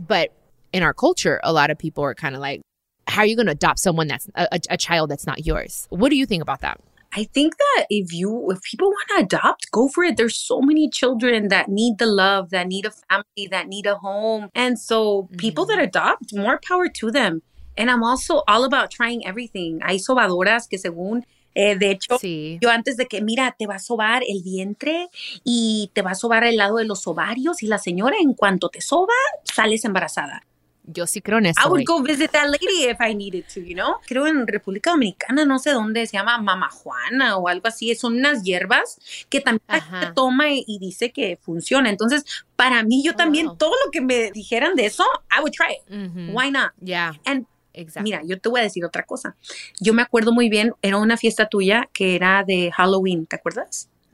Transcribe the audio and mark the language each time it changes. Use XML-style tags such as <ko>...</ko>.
<en>But in our culture, a lot of people are kind of like, how are you going to adopt someone that's a child that's not yours? What do you think about that? I think that if people want to adopt, go for it. There's so many children that need the love, that need a family, that need a home. And so people that adopt, more power to them. And I'm also all about trying everything.</en> <es>Hay sobadoras que según, de hecho, sí. Yo antes de que, mira, te va a sobar el vientre y te va a sobar el lado de los ovarios. Y la señora, en cuanto te soba, sales embarazada. Yo sí creo en eso.</es> <en>I would go visit that lady if I needed to, you know?</en> <es>Creo en República Dominicana, no sé dónde, se llama Mama Juana o algo así. Son unas hierbas que también la gente toma y dice que funciona. Entonces, para mí, yo también, todo lo que me dijeran de eso,</es> <en>I would try it.</en> <es>Mm-hmm.</es> <en>Why not? Yeah. And exactly.</en> <es>Mira, yo te voy a decir otra cosa. Yo me acuerdo muy bien, era una fiesta tuya que era de Halloween, ¿te acuerdas?</es>